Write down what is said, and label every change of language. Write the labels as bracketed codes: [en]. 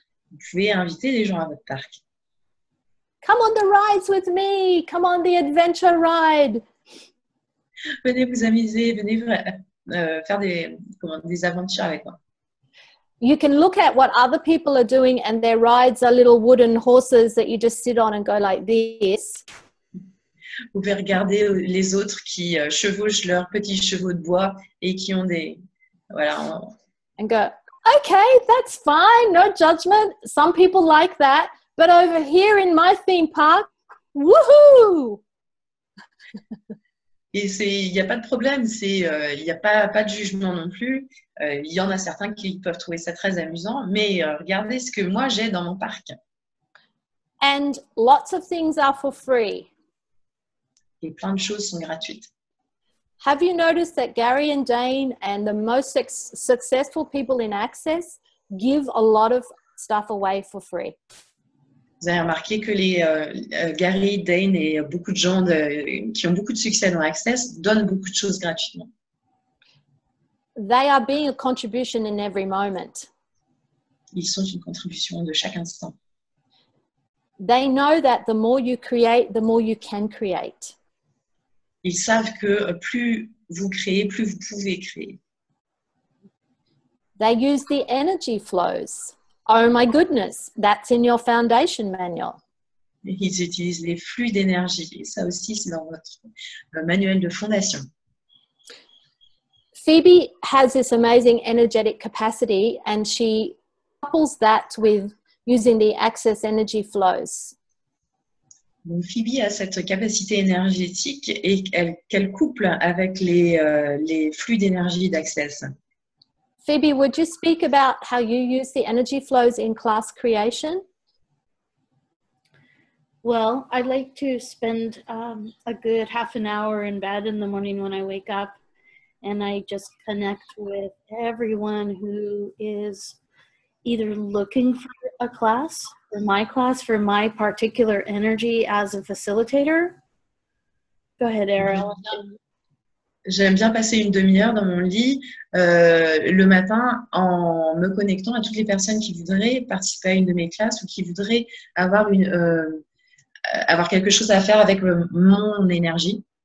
[fr] Vous pouvez inviter des gens à votre parc. [en] Come on the rides with me. Come on the adventure ride. [fr] Venez vous amuser. Venez faire des aventures avec moi. [en] You can look at what other people are doing and their rides are little wooden horses that you just sit on and go like this. [fr] Vous pouvez regarder les autres qui chevauchent leurs petits chevaux de bois et qui ont des... Voilà. [en] And go... Okay, that's fine, no judgment. Some people like that, but over here in my theme park, woohoo! [fr] Et c'est, il n'y a pas de problème, c'est, il n'y a pas de jugement non plus. Il y en a certains qui peuvent trouver ça très amusant, mais regardez ce que moi j'ai dans mon parc. [en] And lots of things are for free. [fr] Et plein de choses sont gratuites. [en] Have you noticed that Gary and Jane and the most successful people in Access give a lot of stuff away for free? [fr] Vous avez remarqué que les Gary, Dane et beaucoup de gens qui ont beaucoup de succès dans Access donnent beaucoup de choses gratuitement. [en] They are being a contribution in every moment. [fr] Ils sont une contribution de chaque instant. [en] They know that the more you create, the more you can create. [fr] Ils savent que plus vous créez, plus vous pouvez créer. [en] They use the energy flows. Oh my goodness, that's in your foundation manual. [fr] Ils utilisent les flux d'énergie. Ça aussi, c'est dans votre manuel de fondation. [en] Phoebe has this amazing energetic capacity and she couples that with using the access energy flows. [fr] Donc Phoebe a cette capacité énergétique et qu'elle couple avec les flux d'énergie d'Access. [en] Phoebe, would you speak about how you use the energy flows in class creation? Well, I like to spend a good half an hour in bed in the morning when I wake up and I just connect with everyone who is either looking for a class for my particular energy as a facilitator. Go ahead, Eryl. [fr] J'aime bien passer une demi-heure dans mon lit le matin en me connectant à toutes les personnes qui voudraient participer à une de mes classes ou qui voudraient avoir une avoir quelque chose à faire avec mon énergie.